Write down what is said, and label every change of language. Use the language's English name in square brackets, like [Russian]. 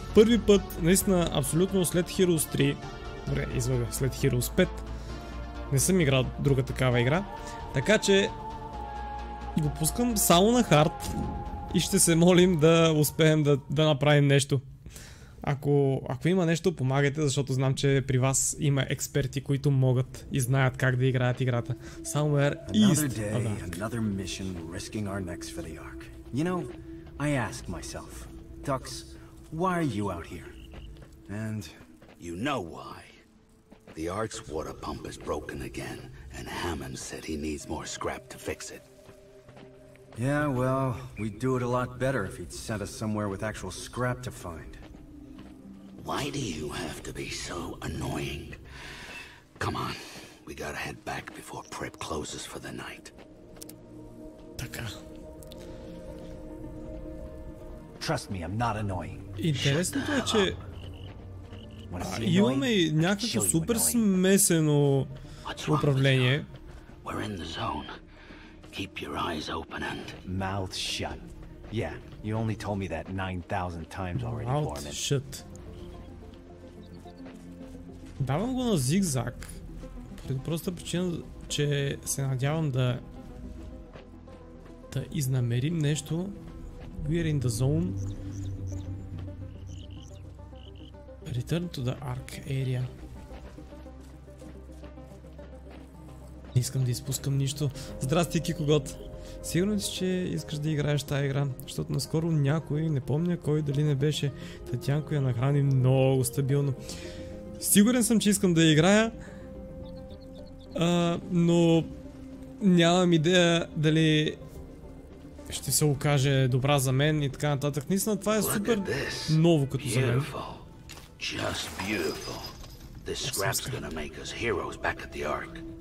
[Bulgarian] първи път, наистина, абсолютно след Heroes 3, добре, излага, след Heroes 5, не съм играл друга такава игра, така че го пускам само на хард и ще се молим да успеем да направим нещо. Ако има нещо, помагайте, защото знам, че при вас има експерти, които могат и знаят как да играят играта. [English] Somewhere east of the Ark. Another day, another mission, risking our necks for the Ark. You know, I ask myself, Tux, why are you out here? And you know why. The Ark's water pump is broken again, and Hammond said he needs more scrap to fix it. Yeah, well, we'd do it a lot better if he'd sent us somewhere with actual scrap to find. Why do you have to be so annoying? Come on, we gotta head back before Prep closes for the night. Taka. Trust me, I'm not annoying. [Bulgarian] Интересно е, че имаме и някакво супер смесено управление. [English] We're in the zone. Keep your eyes open and mouth shut. Yeah, you only told me that 9,000 times already, Foreman. Mouth shut. [Bulgarian] Давам го на зигзаг. Преди просто причина, че се надявам да изнамерим нещо. [English] We're in the zone. Return to the Ark area. [Bulgarian] Не искам да изпускам нищо. Здрасти, Кикогот! Сигурно си, че искаш да играеш тази игра, защото наскоро някой, не помня кой, дали не беше Татянко, я нахрани много стабилно. Сигурен съм, че искам да играя, но нямам идея дали ще се окаже добра за мен и така нататък. Наистина, това е супер ново като за мен. [English] Just beautiful. This scrap's gonna make us heroes back at the Ark.